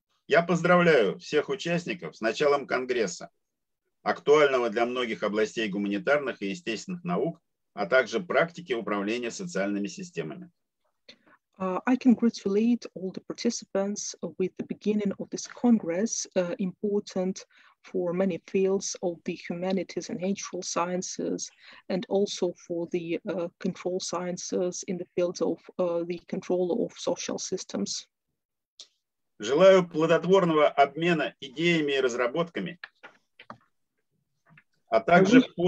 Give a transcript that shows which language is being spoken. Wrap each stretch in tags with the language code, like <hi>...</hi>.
<ru>Я поздравляю всех участников с началом Конгресса, актуального для многих областей гуманитарных и естественных наук, а также практики управления социальными системами.</ru> <en>I congratulate all the participants with the beginning of this Congress, important for many fields of the humanities and natural sciences, and also for the control sciences in the fields of the control of social systems.</en> <ru>Желаю плодотворного обмена идеями и разработками, а также...</ru>